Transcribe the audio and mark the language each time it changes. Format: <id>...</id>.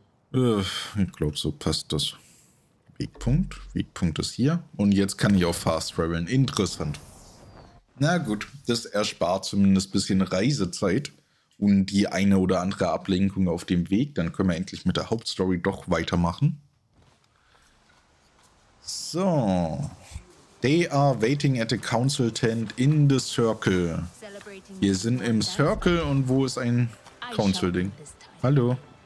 <de>Ich glaube, so passt das. Wegpunkt. Wegpunkt ist hier. Und jetzt kann ich auch fast traveln. Interessant. Na gut, das erspart zumindest ein bisschen Reisezeit. Und die eine oder andere Ablenkung auf dem Weg. Dann können wir endlich mit der Hauptstory doch weitermachen. So.</de> <en>They are waiting at a council tent in the circle.</en> <de>Wir sind im Circle und wo ist ein Council-Ding? Hallo.</de>